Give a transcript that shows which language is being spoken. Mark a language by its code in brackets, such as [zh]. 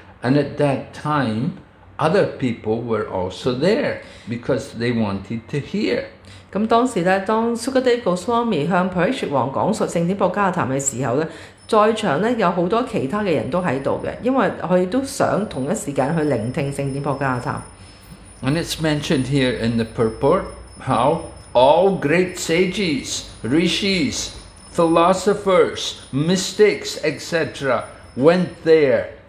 [en] And at that time, other people were also there because they wanted to hear. [yue] 咁當時咧，當蘇格迪高斯王講述聖典波加塔嘅時候咧，在場咧有好多其他嘅人都喺度嘅，因為佢都想同一時間去聆聽聖典波加塔。And [en] it's mentioned here in the purport how all great sages, rishis, philosophers, mystics, etc., went there.